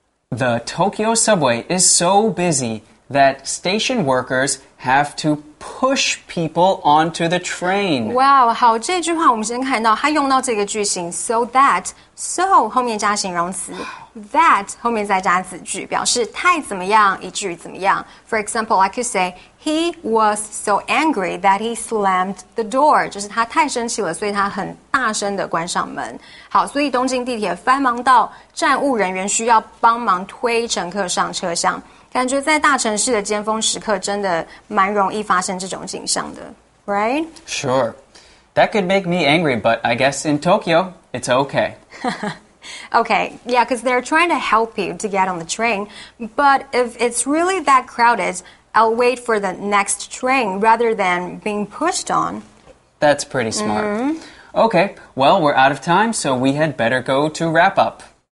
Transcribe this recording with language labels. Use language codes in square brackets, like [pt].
[en] The Tokyo subway is so busy that station workers have to push people onto the train. [zh] Wow, 好，这句话我们先看到它用到这个句型 so that, so 后面加形容词 that 后面再加子句，表示太怎么样，以至于怎么样。 [en] For example, I could say, he was so angry that he slammed the door. [zh] 就是他太生气了，所以他很大声地关上门。好，所以东京地铁繁忙到站务人员需要帮忙推乘客上车厢。感觉在大城市的尖峰时刻真的蛮容易发生这种景象的 [en] right? Sure. That could make me angry, but I guess in Tokyo, it's okay. Okay, yeah, because they're trying to help you to get on the train. But if it's really that crowded, I'll wait for the next train rather than being pushed on. That's pretty smart. Mm-hmm. Okay, well, we're out of time, so we had better go to wrap up.